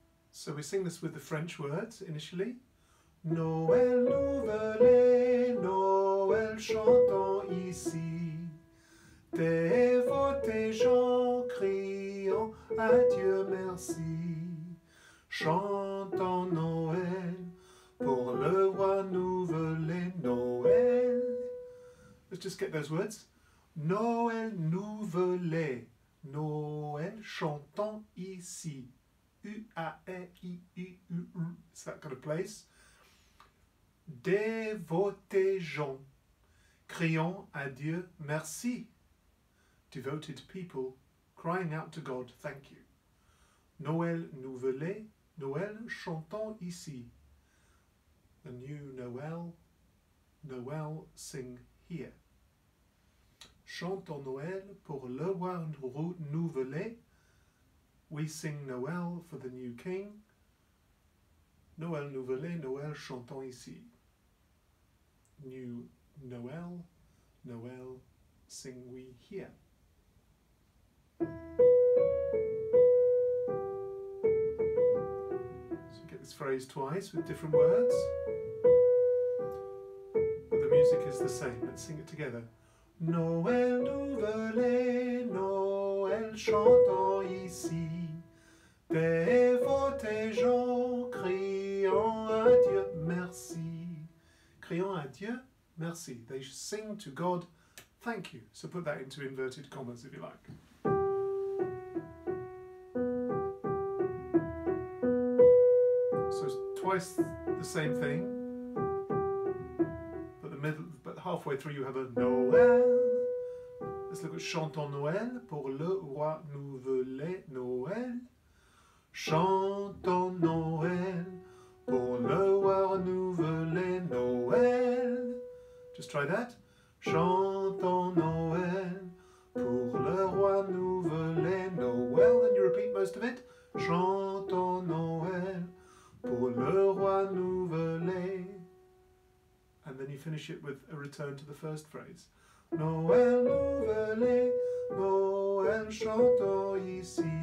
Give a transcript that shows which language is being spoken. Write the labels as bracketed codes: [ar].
[en] So we sing this with the French words initially. [fr] Noël nouvelé, Noël chantant ici. Dévot tes gens criant à Dieu merci. Chantant Noël pour le roi nouvelé, Noël. [en] Let's just get those words. [fr] Noël nouvelé, Noël chantant ici. [en] U-A-E-I-I-U-U, it's that kind of place. [fr] Dévotés gens, criant à Dieu merci. [en] Devoted people, crying out to God, thank you. [fr] Noël nouvelé, Noël chantant ici. [en] The new Noël, Noël sing here. [fr] Chantons Noël pour le roi nouvelé. [en] We sing Noël for the new king. [fr] Noël nouvelé, Noël chantant ici. [en] New Noël, Noël sing we here. So get this phrase twice with different words. But the music is the same. Let's sing it together. Noël nouvelé, Noël chantant ici. Dévotés gens, criant à Dieu, merci. Criant à Dieu, merci. They sing to God, thank you. So put that into inverted commas if you like. So twice the same thing. But halfway through you have a Noël. Let's look at [fr] Chantons Noël pour le roi nouvelé Noël. Chantons Noël pour le roi nouvelé Noël. [en] Just try that. [fr] Chantons Noël pour le roi nouvelé Noël. [en] Then you repeat most of it. [fr] Chantons Noël pour le roi nouvelé. [en] And then you finish it with a return to the first phrase. [fr] Noël nouvelé, Noël chantons ici.